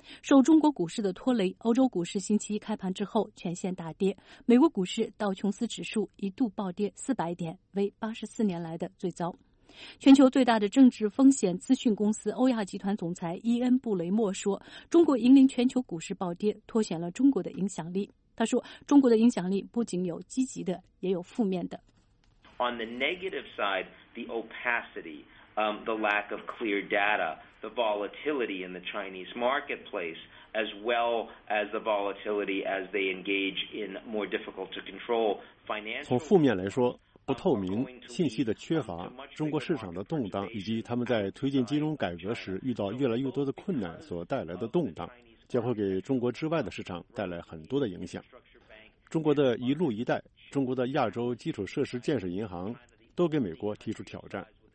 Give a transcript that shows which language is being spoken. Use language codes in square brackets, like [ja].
[zh] 受中国股市的拖累，欧洲股市星期一开盘之后全线大跌，美国股市道琼斯指数一度暴跌400点，为84年来的最糟。全球最大的政治风险咨询公司欧亚集团总裁伊恩·布雷默说，中国引领全球股市暴跌，凸显了中国的影响力。他说，中国的影响力不仅有积极的，也有负面的。 [en] On the negative side, the opacity, the lack of clear data, the volatility in the Chinese marketplace, as well as the volatility as they engage in more difficult to control financial. [zh] 从负面来说，不透明、信息的缺乏、中国市场的动荡，以及他们在推进金融改革时遇到越来越多的困难所带来的动荡，将会给中国之外的市场带来很多的影响。中国的一路一带、中国的亚洲基础设施建设银行都给美国提出挑战。